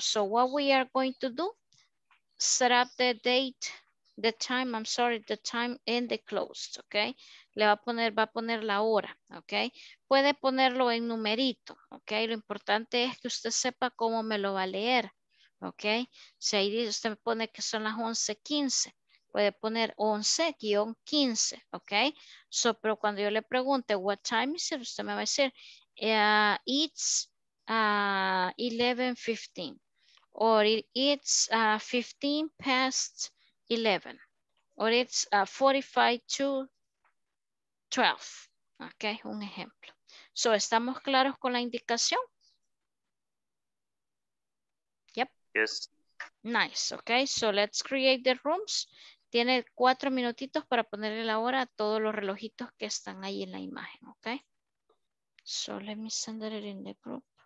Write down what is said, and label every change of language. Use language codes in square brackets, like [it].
[en] So what we are going to do, set up the date, the time, I'm sorry, the time in the closed, ¿ok? [es] Le va a poner la hora, ¿ok? Puede ponerlo en numerito, ¿ok? Lo importante es que usted sepa cómo me lo va a leer, ¿ok? Si ahí dice, usted me pone que son las 11:15. Puede poner 11-15, ¿ok? So, pero cuando yo le pregunte, [en] what time is it? [es] Usted me va a decir, [en] it's 11:15. Or it's 15 past 11. Or it's 45 to 12. ¿Ok? [es] Un ejemplo. So, ¿estamos claros con la indicación? [en] Yep. Yes. Nice, ¿ok? So, let's create the rooms. [es] Tiene 4 minutitos para ponerle la hora a todos los relojitos que están ahí en la imagen, ¿ok? [en] So let me send it in the group.